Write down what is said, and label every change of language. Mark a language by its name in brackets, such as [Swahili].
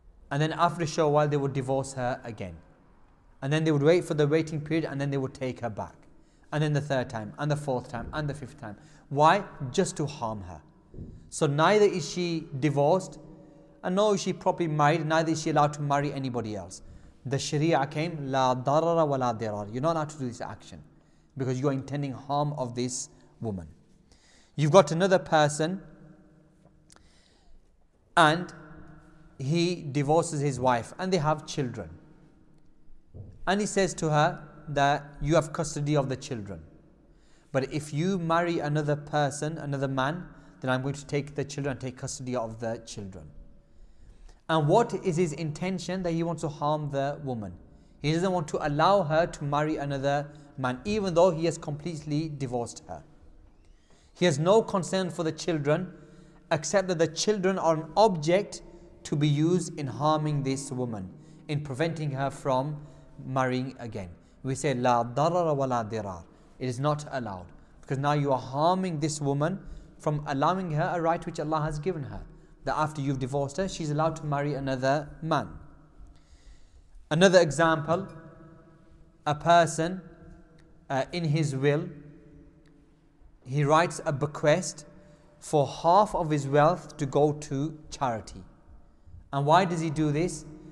[English] And then after a short while, they would divorce her again. And then they would wait for the waiting period and then they would take her back. And then the third time and the fourth time and the fifth time. Why? Just to harm her. So neither is she divorced and nor is she properly married, neither is she allowed to marry anybody else. The Sharia came, [Arabic] لا ضرر ولا ضرار. [English] You're not allowed to do this action because you are intending harm of this woman. You've got another person and he divorces his wife and they have children. And he says to her that you have custody of the children. But if you marry another person, another man, then I'm going to take the children and take custody of the children. And what is his intention? That he wants to harm the woman. He doesn't want to allow her to marry another man, even though he has completely divorced her. He has no concern for the children, except that the children are an object to be used in harming this woman, in preventing her from marrying again. We say, [Arabic] لا ضرر ولا ضرار. [English] It is not allowed. Because now you are harming this woman from allowing her a right which Allah has given her. That after you've divorced her, she's allowed to marry another man. Another example, a person in his will, he writes a bequest for half of his wealth to go to charity. And why does he do this?